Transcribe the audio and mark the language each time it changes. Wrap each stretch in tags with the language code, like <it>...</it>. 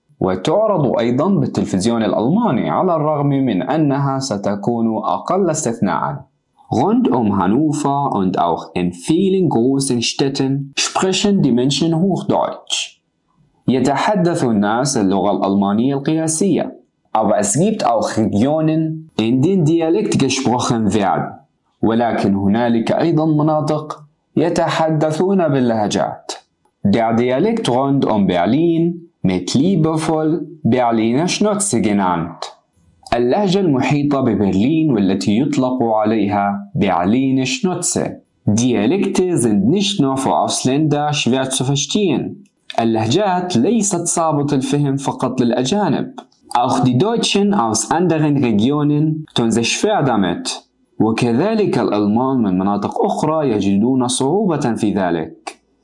<ar>وتعرض أيضا بالتلفزيون الألماني على الرغم من أنها ستكون أقل استثناء.</ar> <de>Rund um Hannover und auch in vielen großen Städten sprechen die Menschen Hochdeutsch.</de> <ar>يتحدث الناس اللغة الألمانية القياسية.</ar> <de>Aber es gibt auch Regionen, in denen Dialekt gesprochen wird.</de> <ar>ولكن هنالك أيضا مناطق يتحدثون باللهجات.</ar> <de>Der Dialekt rund um Berlin mit liebevoll Berliner Schnauze genannt.</de> <ar>اللهجة المحيطة ببرلين والتي يطلق عليها برلين شنوتسة.</ar> <de>Dialekte sind nicht nur für Ausländer schwer zu verstehen.</de> <ar>اللهجات ليست صعبة الفهم فقط للأجانب.</ar> <de>Auch die Deutschen aus anderen Regionen tun sich schwer damit.</de> <ar>وكذلك الألمان من مناطق أخرى يجدون صعوبة في ذلك.</ar>